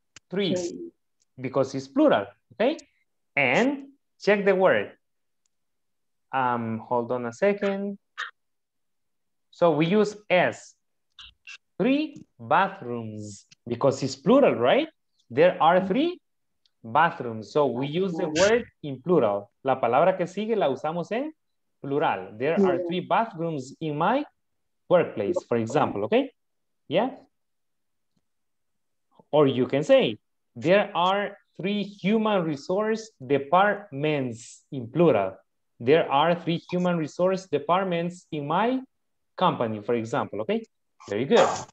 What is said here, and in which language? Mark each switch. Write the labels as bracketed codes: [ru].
[en] trees, because it's plural, okay? And check the word. Hold on a second. So we use S, three bathrooms, because it's plural, right? There are three bathrooms. So we use the word in plural. [es] La palabra que sigue la usamos en plural. [en] There are three bathrooms in my workplace, for example, okay? Yeah? Or you can say, there are three human resource departments in plural. There are three human resource departments in my company, for example, okay? Very good.